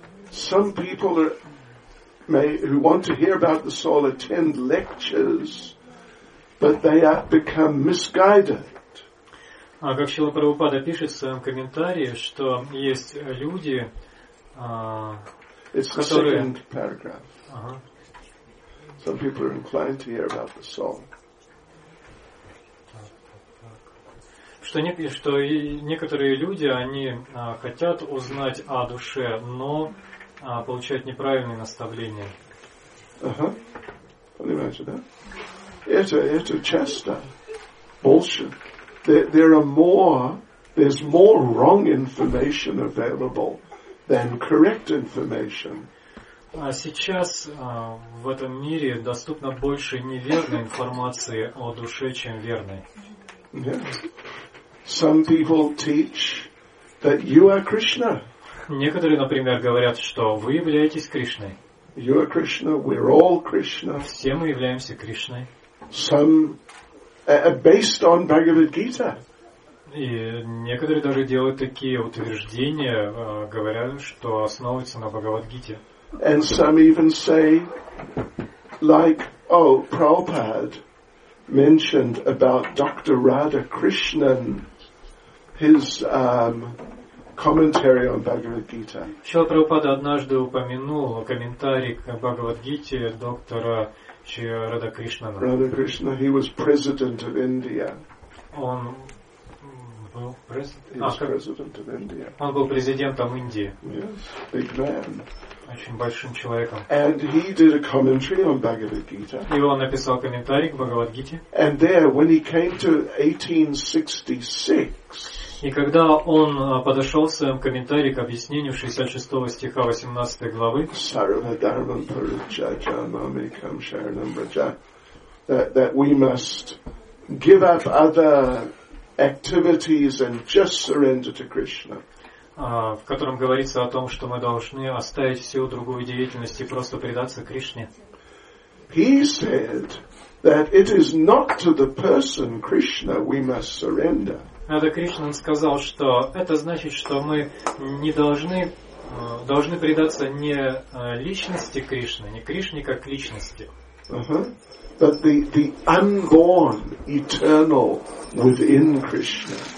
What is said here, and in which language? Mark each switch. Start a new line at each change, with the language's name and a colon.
English: Some people who want to hear about the soul attend lectures, but they have become misguided.
Russian: А как Шрила Прабхупада пишет в своем комментарии, что есть люди,
English: it's
Russian: которые...
English: the second paragraph. Some people are inclined to hear about the soul.
Russian: Что некоторые люди, они хотят узнать о душе, но получают неправильные наставления. Ага. Понимаете, да? Это часто.
English: Bullshit. There's more wrong information available than correct information.
Russian: Сейчас в этом мире доступно больше неверной информации о душе, чем верной.
English: Some people teach that you are Krishna.
Russian: Некоторые, например, говорят, что вы являетесь Кришной.
English: You are Krishna, we're all Krishna.
Russian: Все мы являемся Кришной.
English: Some based on Bhagavad Gita.
Russian: И некоторые даже делают такие утверждения, говоря, что основываются на Бхагавад-гите.
English: And some even say, like, oh, Prabhupada mentioned about Dr. Radha Krishnan, his commentary on Bhagavad Gita.
Russian: Шрила Прабхупада однажды упомянул комментарий к Бхагавад-гите доктора чи Рада Кришна.
English: Рада Кришна, he was president of India.
Russian: Он был президент
English: of India.
Russian: Он был президентом Индии.
English: Yes, big man.
Russian: Очень большим человеком.
English: And he did a commentary on Bhagavad Gita.
Russian: И он написал комментарий к Бхагавад Гите.
English: And there, when he came to 1866.
Russian: И когда он подошел в своем комментарии к объяснению 66 стиха 18 главы.
Sanskrit: Sarva dharmam purucha janam ekam sharanam braja.
English: That we must give up other activities and just surrender to Krishna.
Russian: В котором говорится о том, что мы должны оставить всю другую деятельность и просто предаться Кришне.
English: He said that it is not to the person Krishna we must surrender.
Russian: Рада Кришна сказал, что это значит, что мы не должны, должны предаться не личности Кришны, не Кришне как личности.
English: But the unborn eternal within Krishna.